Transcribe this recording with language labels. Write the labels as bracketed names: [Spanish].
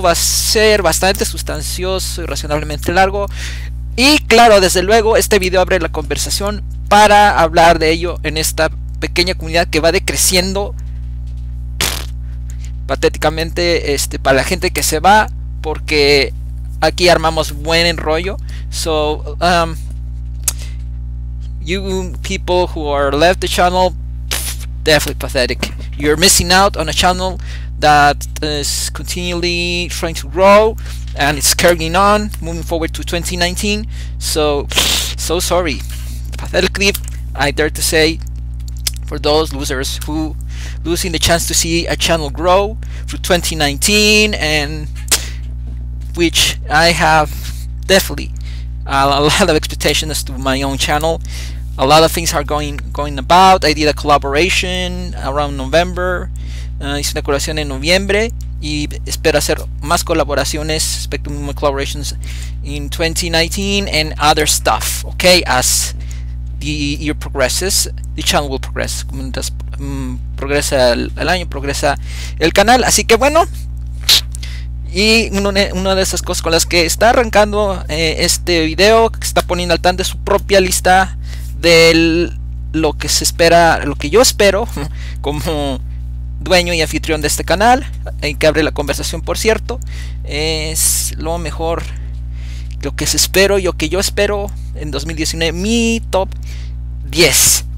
[Spanish] Va a ser bastante sustancioso y razonablemente largo. Y claro, desde luego, este video abre la conversación para hablar de ello en esta pequeña comunidad que va decreciendo patéticamente, para la gente que se va, porque aquí armamos buen enrollo. [English] So, you people who are left the channel, definitely pathetic. You're missing out on a channel that is continually trying to grow and it's carrying on, moving forward to 2019. So sorry. Pathetically, I dare to say, for those losers who losing the chance to see a channel grow through 2019, and which I have definitely a lot of expectations as to my own channel. A lot of things are going about. I did a collaboration around November. [Spanish] Hice una colaboración en noviembre y espero hacer más colaboraciones, [English] expect more collaborations in 2019 and other stuff. Okay, as the year progresses, the channel will progress. [Spanish] Mientras progresa el año, progresa el canal. Así que bueno, y una de esas cosas con las que está arrancando este video, que está poniendo al tanto su propia lista de lo que se espera, lo que yo espero como dueño y anfitrión de este canal, en que abre la conversación, por cierto, es lo mejor, lo que se espero y lo que yo espero en 2019, mi top 10.